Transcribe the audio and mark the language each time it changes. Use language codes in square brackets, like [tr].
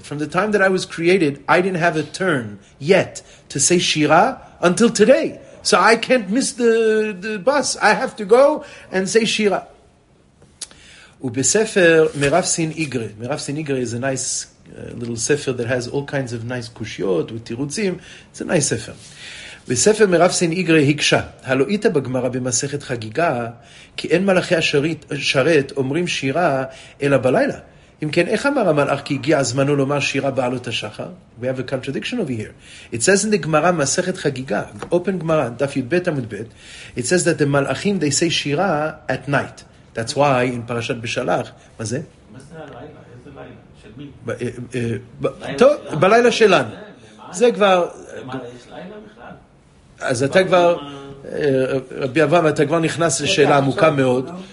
[en] From the time that I was created, I didn't have a turn yet to say Shira until today. So I can't miss the bus. I have to go and say Shira. Ubesefer Merav Sin Igre. Merav Sin Igre is a nice little sefer that has all kinds of nice kushiyot with tirutzim. It's a nice sefer. [he] בספר מרב סין איגרי היקשה, הלא איתה בגמרה במסכת חגיגה, כי אין מלאכי השרת אומרים שירה אלא בלילה. אם כן, איך אמר המלאך כי הגיע הזמנו לומר שירה בעלות השחר? [en] We have a contradiction over here. It says in the גמרה, מסכת חגיגה, open גמרה, דף י' ב' עמוד ב', it says that the מלאכים, they say שירה at night. That's why in פרשת בשלח, [he] מה זה? מה זה הלילה? איזה לילה? של מי? טוב, בלילה שלנו. זה כבר... למעלה יש לילה? אז אתה כבר, רבי אברהם, אתה כבר נכנס לשאלה עמוקה מאוד.